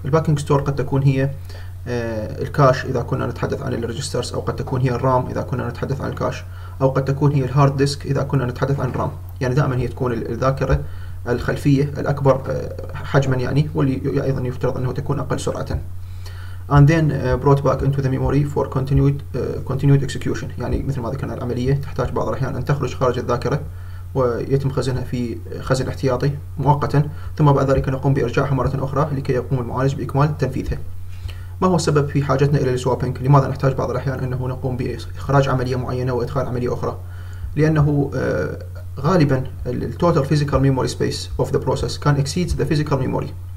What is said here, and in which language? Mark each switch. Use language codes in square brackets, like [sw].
[ar] الباكينج ستور قد تكون هي الكاش إذا كنا نتحدث عن الريجسترز، أو قد تكون هي الرام إذا كنا نتحدث عن الكاش، أو قد تكون هي الهارد ديسك إذا كنا نتحدث عن الرام. يعني دائما هي تكون الذاكرة الخلفية الأكبر حجما يعني، واللي أيضا يفترض أنه تكون أقل سرعة. [en] And then brought back into the memory for continued execution. [ar] يعني مثل ما ذكرنا العملية تحتاج بعض الأحيان أن تخرج خارج الذاكرة ويتم خزنها في خزن احتياطي مؤقتا، ثم بعد ذلك نقوم بإرجاعها مرة أخرى لكي يقوم المعالج بإكمال تنفيذها. ما هو السبب في حاجتنا إلى السوابينج؟ لماذا نحتاج بعض الأحيان أنه نقوم بإخراج عملية معينة وإدخال عملية أخرى؟ لأنه غالبا الـ [en] Total Physical Memory Space of the Process can exceed the Physical Memory.